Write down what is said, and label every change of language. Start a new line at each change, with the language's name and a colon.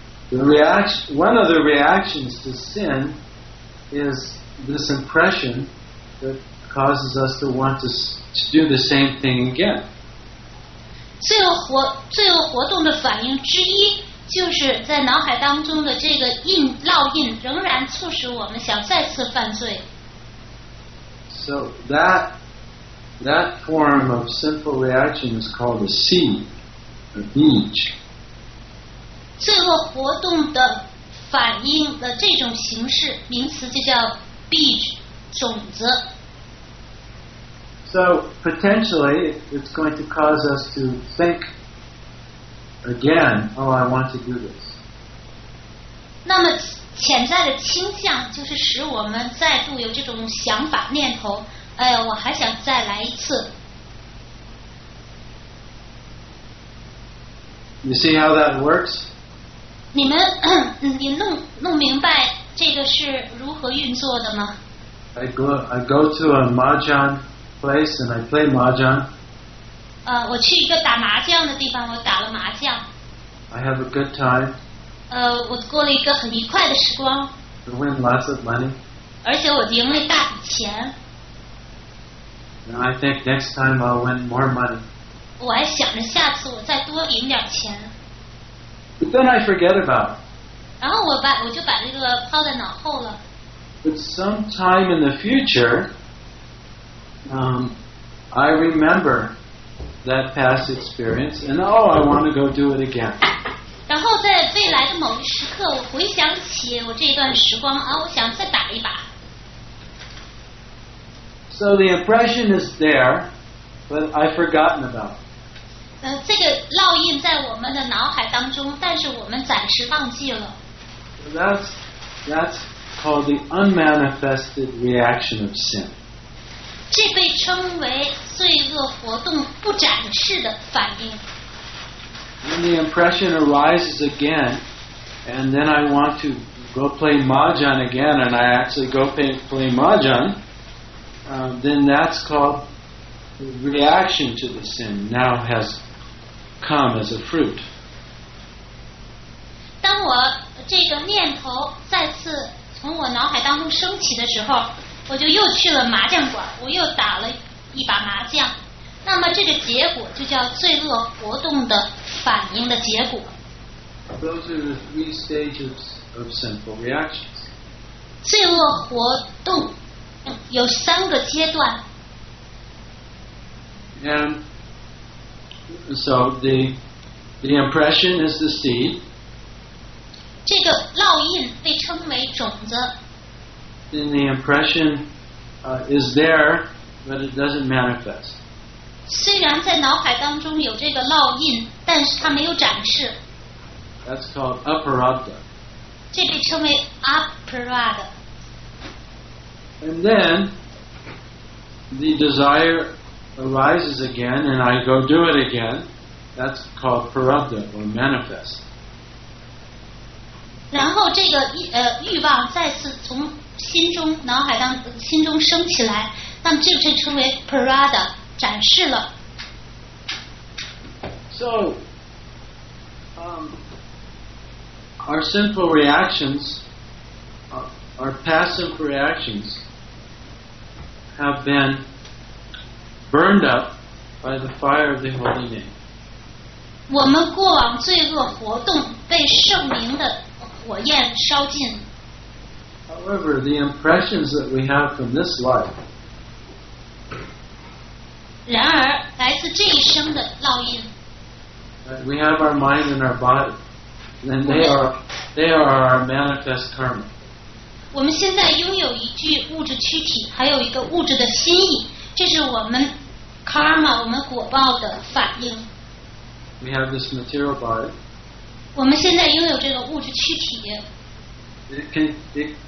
English: One of the reactions to sin is this impression that causes us to want to do the same thing again.
Chinese: 罪恶活动的反应之一就是在脑海当中的这个印烙印仍然促使我们想再次犯罪。
English: So that form of sinful reaction is called a seed, a beach.
Chinese: 罪恶活动的反应的这种形式名词就叫 beach, 种子。
English: So potentially it's going to cause us to think again, oh, I want to do this.
Chinese: 那么潜在的倾向就是使我们再度有这种想法念头，哎呀，我还想再来一次。
English: You see how that works?
Chinese: 你们你弄明白这个是如何运作的吗？
English: I go to a mahjong place and I play mahjong.
Chinese: 我去一个打麻将的地方，我打了麻将。
English: I have a good time.
Chinese: 我过了一个很愉快的时光。
English: I win lots of money.
Chinese: 而且我赢了大笔钱。
English: And I think next time I'll win more money.
Chinese: 我还想着下次我再多赢点钱。
English: But then I forget about it.
Chinese: 然后我就把这个抛在脑后了。
English: But sometime in the future, I remember that past experience, and oh, I want to go do it again.
Chinese: 然后在未来的某一时刻，我回想起我这段时光啊，我想再打一把。
English: So the impression is there, but I've forgotten about it.
Chinese: 这个烙印在我们的脑海当中，但是我们暂时忘记了。
English: So that's called the unmanifested reaction of sin.
Chinese: 这被称为罪恶活动不展示的反应。
English: When the impression arises again, and then I want to go play mahjong again, and I actually go play mahjong, then that's called the reaction to the sin now has come as a fruit.
Chinese: 当我这个念头再次从我脑海当中升起的时候，我就又去了麻将馆，我又打了一把麻将，那么这个结果就叫罪恶活动的反应的结果。
English: Those are the three stages of sinful reactions.
Chinese: 罪恶活动有三个阶段。
English: And so the impression is the seed.
Chinese: 这个烙印被称为种子。
English: Then the impression is there, but it doesn't manifest.
Chinese: 虽然在脑海当中有这个烙印，但是它没有展示。
English: That's called aparada.
Chinese: 这被称为 aparada.
English: And then the desire arises again, and I go do it again. That's called parada or manifest.
Chinese: 然后这个欲望再次从心中脑海当心中升起来，那么这就称为 parada 展示了。
English: So, our sinful reactions, our passive reactions, have been burned up by the fire of the Holy Name.
Chinese: 我们过往罪恶活动被圣灵的火焰烧尽。
English: However, the impressions that we have from this life,
Chinese: 然而来自这一生的烙印
English: we have our mind and our body, and they are our manifest karma.
Chinese: 我们现在拥有一具物质躯体，还有一个物质的心意，这是我们 karma 我们果报的反应。
English: We have this material body.
Chinese: 我们现在拥有这个物质躯体。